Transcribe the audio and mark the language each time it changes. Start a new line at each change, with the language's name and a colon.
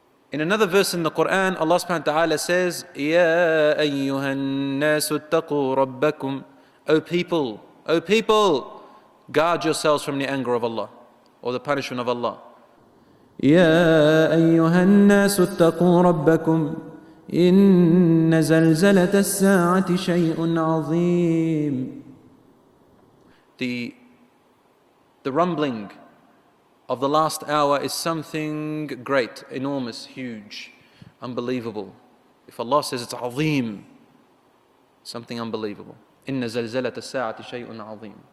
English: In another verse in the Quran, Allah subhanahu wa ta'ala says,
Arabic: Ya ayyuha an-nasu ittaqu rabbakum.
English: O people, guard yourselves from the anger of Allah or the punishment of Allah.
Arabic: Ya ayyuha an-nasu ittaqu rabbakum. إن زلزلة الساعة شيء عظيم.
English: The rumbling of the last hour is something great, enormous, huge, unbelievable. If Allah says it's عظيم, something unbelievable.
Arabic: إن زلزلة الساعة شيء عظيم.